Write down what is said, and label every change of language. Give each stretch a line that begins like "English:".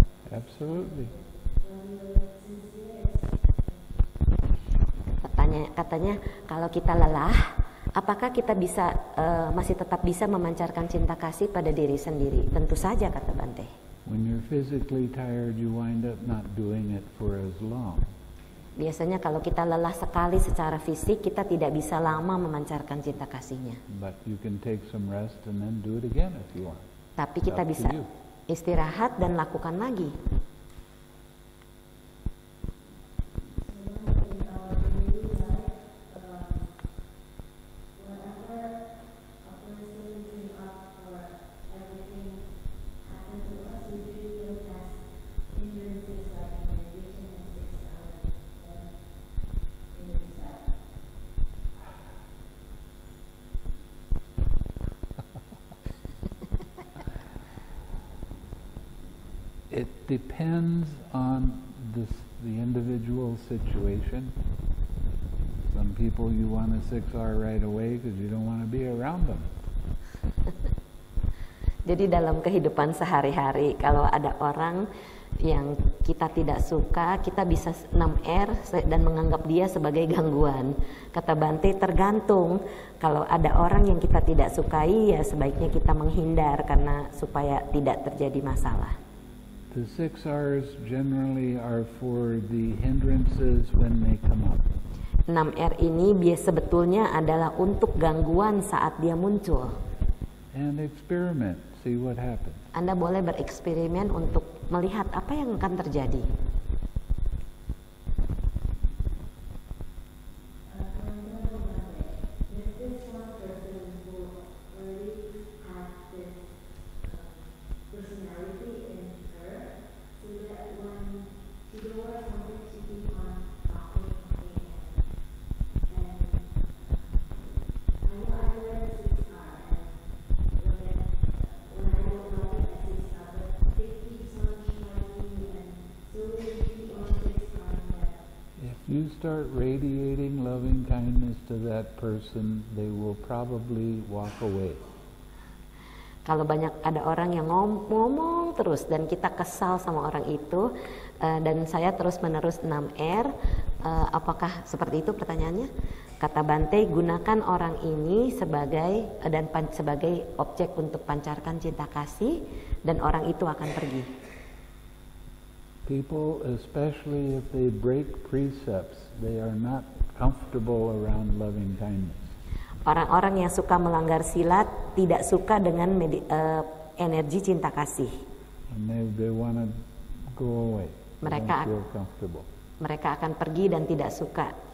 English: Absolutely.
Indonesian: Pertanyaan. bertanya, katanya kalau kita lelah, apakah kita bisa masih tetap bisa memancarkan cinta kasih pada diri sendiri? Tentu saja, kata Bante.
English: When you're physically tired, you wind up not doing it for as long.
Indonesian: Biasanya kalau kita lelah sekali secara fisik, kita tidak bisa lama memancarkan cinta kasihnya.
English: But you can take some rest and then do it again if you want.
Indonesian: Tapi kita bisa istirahat dan lakukan lagi.
English: It depends on the individual situation. Some people you want a 6-hour right away because you don't want to be around them.
Indonesian: Jadi dalam kehidupan sehari-hari, kalau ada orang yang kita tidak suka, kita bisa 6R dan menganggap dia sebagai gangguan. Kata Bante, tergantung. Kalau ada orang yang kita tidak sukai, ya sebaiknya kita menghindar karena supaya tidak terjadi masalah.
English: The 6Rs generally are for the hindrances when they come up.
Indonesian: 6R ini biasa sebetulnya adalah untuk gangguan saat dia muncul.
English: And experiment, see what happens.
Indonesian: Anda boleh bereksperimen untuk melihat apa yang akan terjadi.
English: Start radiating loving kindness to that person, they will probably walk away.
Indonesian: Kalau banyak ada orang yang ngomong terus dan kita kesal sama orang itu, dan saya terus menerus 6R, apakah seperti itu pertanyaannya? Kata Bante, gunakan orang ini sebagai sebagai objek untuk pancarkan cinta kasih dan orang itu akan pergi.
English: People, especially if they break precepts, they are not comfortable around loving kindness.
Indonesian: Orang-orang yang suka melanggar silat tidak suka dengan energi cinta kasih.
English: And they want to go away.
Indonesian: Mereka
English: don't feel comfortable.
Indonesian: Mereka akan pergi dan tidak suka.